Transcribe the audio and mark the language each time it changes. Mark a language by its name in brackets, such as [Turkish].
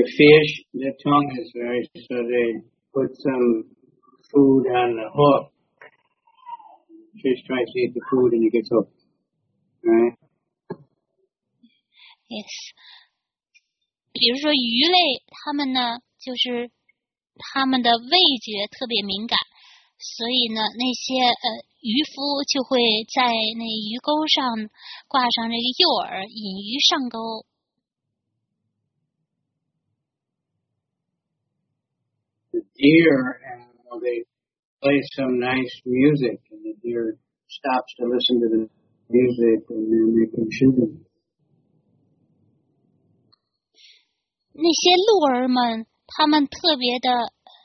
[English] a fish, their tongue is very, so they put some food on the hook. Fish tries to eat the food and it gets hooked. Right? Yes. [Chinese] 比如说鱼类，它们呢，就是。他们的味觉特别敏感，所以呢，那些渔夫就会在那鱼钩上挂上这个诱饵，引鱼上钩。The [English] deer, well, they play some nice music, and the deer stops to listen to the music, and then they can shoot them. [Chinese] 那些鹿儿们，他们特别的。